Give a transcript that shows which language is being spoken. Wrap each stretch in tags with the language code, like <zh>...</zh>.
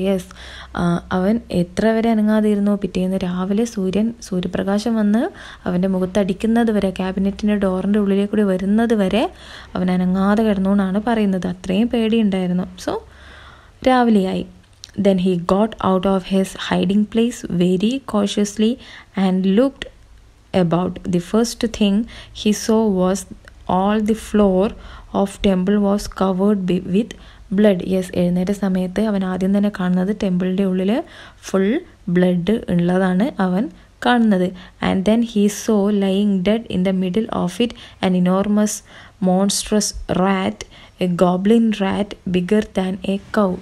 <ml>Yes, അവൻ എത്ര വരെ അനങ്ങാതിരുന്നു? പിറ്റേന്ന് രാവിലെ സൂര്യപ്രകാശം വന്ന് അവൻ്റെ മുഖത്തടിക്കുന്നത് വരെ, ക്യാബിനറ്റിൻ്റെ ഡോറിൻ്റെ ഉള്ളിലേക്ക് കൂടി വരുന്നത് വരെ അവൻ അനങ്ങാതെ കിടന്നു എന്നാണ് പറയുന്നത്. അത്രയും പേടിയുണ്ടായിരുന്നു. So രാവിലെയായി.</ml> <en>Then he got out of his hiding place very cautiously and looked about. The first thing he saw was all the floor of temple was covered with blood.</en> <ml>Yes, എഴുന്നേറ്റ സമയത്ത് അവൻ ആദ്യം തന്നെ കാണുന്നത് ടെമ്പിളിൻ്റെ ഉള്ളിൽ ഫുൾ ബ്ലഡ് ഉള്ളതാണ് അവൻ കാണുന്നത്.</ml> <en>And then he saw lying dead in the middle of it an enormous monstrous rat, a goblin rat bigger than a cow.</en>